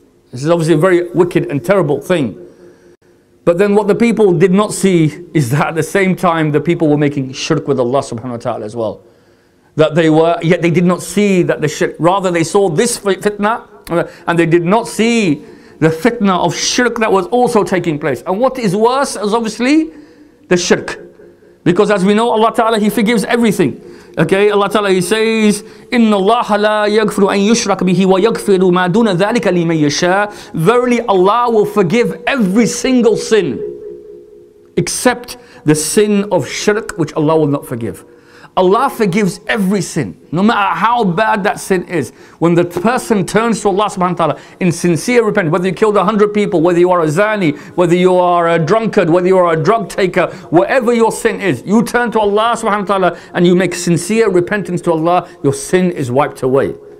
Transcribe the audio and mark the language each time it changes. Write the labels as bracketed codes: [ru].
[en] This is obviously a very wicked and terrible thing. But then what the people did not see is that at the same time the people were making shirk with Allah subhanahu wa ta'ala as well. That they were, yet they did not see that the shirk, rather they saw this fitna, and they did not see the fitna of shirk that was also taking place. And what is worse is obviously the shirk. Because as we know, Allah Ta'ala, He forgives everything. Okay, Allah Ta'ala, He says, [ar] إِنَّ اللَّهَ لَا يَغْفِرُ أَن يُشْرَكْ بِهِ وَيَغْفِرُ مَا دُونَ ذَلِكَ لِمَن يَشَاءُ. [en] Verily, Allah will forgive every single sin, except the sin of shirk, which Allah will not forgive. Allah forgives every sin, no matter how bad that sin is. When the person turns to Allah subhanahu wa ta'ala in sincere repentance, whether you killed 100 people, whether you are a zani, whether you are a drunkard, whether you are a drug taker, whatever your sin is, you turn to Allah subhanahu wa ta'ala and you make sincere repentance to Allah, your sin is wiped away.